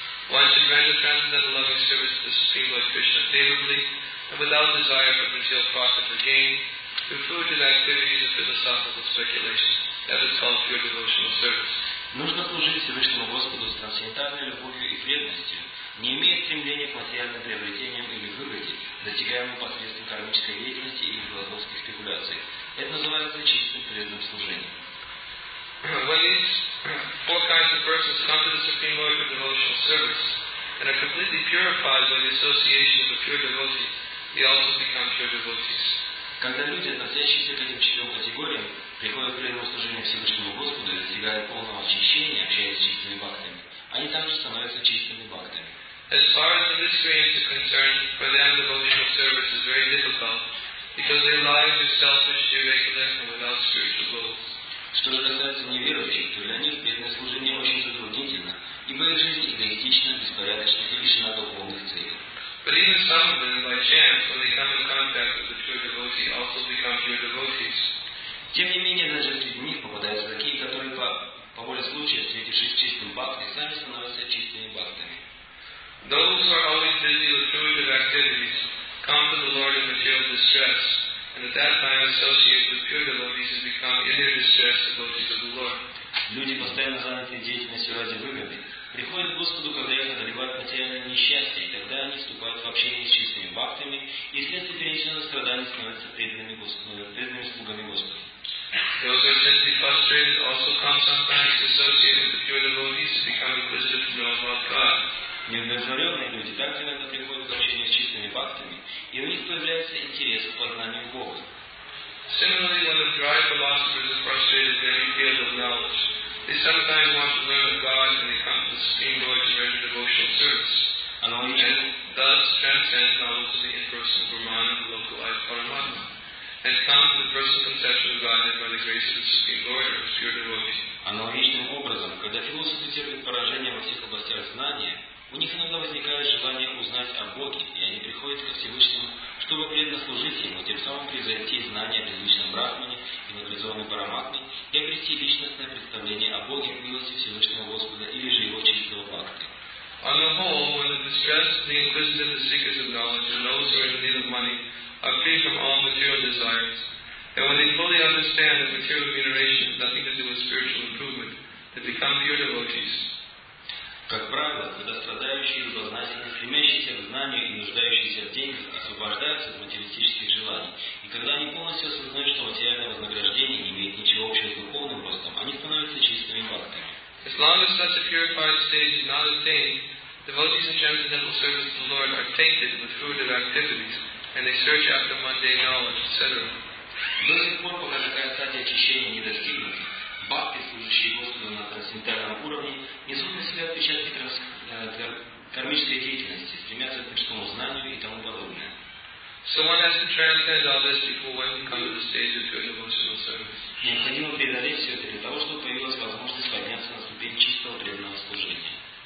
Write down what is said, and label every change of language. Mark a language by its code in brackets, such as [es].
[en] One should render transcendental loving service to the Supreme Lord Krishna favorably, and without desire for material profit or gain, through fruitive activities of philosophical speculation, that is called pure devotional service. [ru] Нужно служить Всевышнему Господу с трансцендентальной любовью и преданностью, не имея стремления к материальным приобретениям или выгоде, достигаемым посредством кармической деятельности или философских спекуляций. Это называется чистым преданным служением. [en] When these four kinds of persons come to the Supreme Lord for devotional service, and are completely purified by the association of a pure devotee, they also become pure devotees. [ru] Когда люди, относящиеся к этим четырем категориям, приходят к преданному служению Всевышнему Господу и достигают полного очищения, общаясь с чистыми бхактами, они также становятся чистыми бхактами. [en] As far as this experience is concerned, for them devotional service is very difficult, because their lives are selfish, irregular, and without spiritual goals. [ru] Что же касается неверующих, то для них преданное служение очень затруднительно, ибо их жизнь эгоистична, беспорядочна и лишена духовных целей. [en] But even some of them, by chance, when they come in contact with the pure devotee, also become pure devotees. [ru] Тем не менее, даже среди них попадаются такие, которые по воле случая, встретившись с чистым бхактой, сами становятся чистыми бхактами. [en] Those who are always busy with fruitive activities come to the Lord in material distress, and at that time associate with pure devotees and become in their distress devotees of the Lord. [ru] Люди, постоянно заняты деятельностью ради выгоды, приходят к Господу, когда их одолевают материальное несчастье, и тогда они вступают в общение с чистыми бхактами, и вследствие перенесенных страданий становятся преданными слугами Господа. [en] Those who are simply frustrated also come sometimes to associate with the pure devotees to become inquisitive to know about God. [ru] Неудовлетворенные люди также иногда приходят к общению с чистыми бхактами, и у них появляется интерес к познанию Бога. [en] Similarly, when the dry philosophers are frustrated in any field of knowledge, they sometimes want to learn of God and they come to the Supreme Lord to render devotional service. And thus transcend knowledge of the impersonal Brahman and the localized Paramatma, and come to the personal conception of God by the grace of the Supreme Lord or the pure devotee. [ru] Аналогичным образом, когда философы терпят поражение во всех областях знания, у них иногда возникает желание узнать о Боге, и они приходят ко Всевышнему, чтобы преданно служить Ему, тем самым превзойти знания о безличном Брахмане и нагрязованной Параматме и обрести личностное представление о Боге, милости Всевышнего Господа или же Его чистого бхакти. [en] On the whole, when the distressed, the inquisitive, the seekers of knowledge, and those who are in need of money are free from all material desires, and when they fully understand that material remuneration has nothing to do with spiritual improvement, they become pure devotees. [ru] Как правило, когда страдающие, любознательные, стремящиеся к знанию и нуждающиеся в деньгах освобождаются от материалистических желаний, и когда они полностью осознают, что материальное вознаграждение не имеет ничего общего с духовным ростом, они становятся чистыми бхактами. [en] As long as such a purified state is not attained, Devotees in transcendental service to the Lord are tainted with fruitive activities, and they search after mundane knowledge, etc. [ru] До сих пор, пока такая стадия очищения не достигнута, бхакты, служащие Господу на трансцендентальном уровне, несут на себя отпечатки кармической деятельности, стремятся к мирскому знанию и тому подобное. [en] So one has to transcend all this before one can come to the stage of pure devotional service. [ru] Необходимо преодолеть все это для того, чтобы появилась возможность подняться на ступень чистого преданного служения.